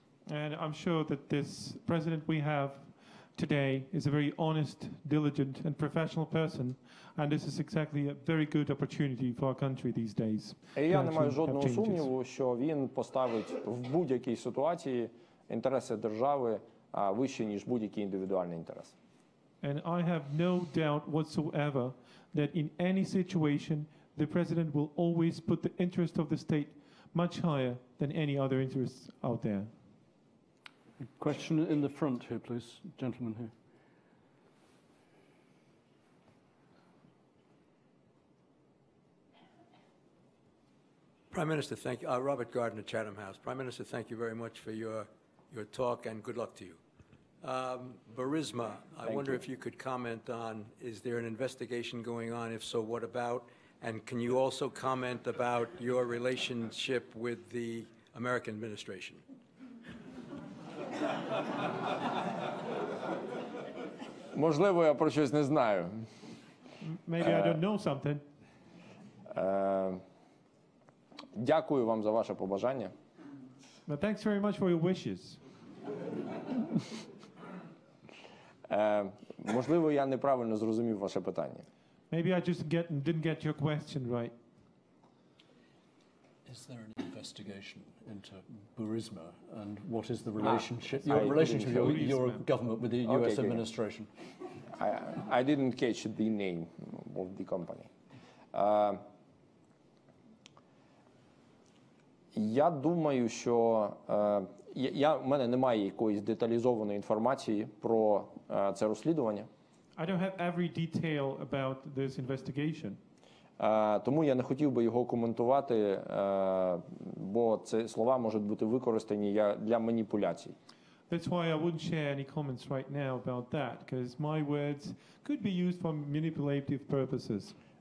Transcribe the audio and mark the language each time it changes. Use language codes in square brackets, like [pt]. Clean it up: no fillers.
[en] And I'm sure that this president we have today is a very honest, diligent and professional person, and this is exactly a very good opportunity for our country these days. [uk] І я не маю жодного сумніву, що він поставить в будь-якій ситуації інтереси держави вище, ніж будь-який індивідуальний інтерес. [en] And I have no doubt whatsoever that in any situation the president will always put the interest of the state much higher than any other interests out there. A question in the front here, please. Gentleman here. Prime Minister, thank you. Robert Gardner, Chatham House. Prime Minister, thank you very much for your talk and good luck to you. Burisma, I wonder if you could comment on, is there an investigation going on? If so, what about? And can you also comment about your relationship with the American administration? [uk] Можливо, я про щось не знаю. [en] Maybe I don't know something. [uk] Дякую вам за ваше побажання. [en] But thanks very much for your wishes. [uk] Можливо, я неправильно зрозумів ваше питання. [en] Maybe I just didn't get your question right. Is there an investigation into Burisma and what is the relationship, your government with the US administration? I didn't catch the name of the company. [uk] Я думаю, що у мене немає якоїсь деталізованої інформації про це розслідування. [en] I don't have every detail about this investigation. [uk] Тому я не хотів би його коментувати, бо ці слова можуть бути використані для маніпуляцій. [en] That's why I wouldn't share any comments right now about that, because my words could be used for manipulative purposes.